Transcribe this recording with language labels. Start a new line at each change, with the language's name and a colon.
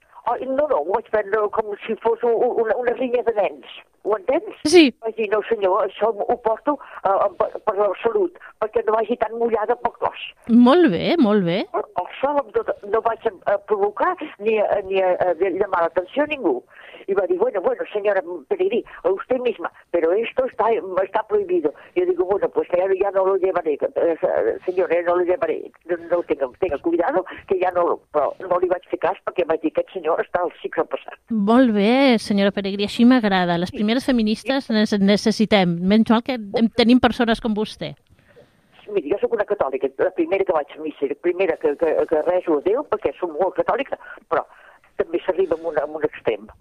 Catalan: Oh, no, ho vaig prendre com si fos una rinya de nens. Ho entens? Sí. Vaig dir, no, senyor, això ho porto per la salut, perquè no vagi tan mullada pel cos. Molt bé, molt bé. El sol no vaig provocar ni a llamar l'atenció a ningú. I va dir,
Spanish: bueno, senyora Peregrí, a usted misma, pero esto está prohibido.
Catalan: I jo dic,
Spanish: bueno, pues ya no lo llevaré, senyora, no lo llevaré. No ho tenga cuidado, que ya no...
Catalan: Però no li vaig fer cas perquè vaig dir, aquest senyor està al cicle passat. Molt bé, senyora Peregrí, així m'agrada. Les primeres feministes necessitem, menys mal que tenim persones com vostè. Mira, jo sóc una catòlica, la primera que vaig a missa, la primera que rezo a Déu, perquè sóc molt catòlica, però també s'arriba a un extrem.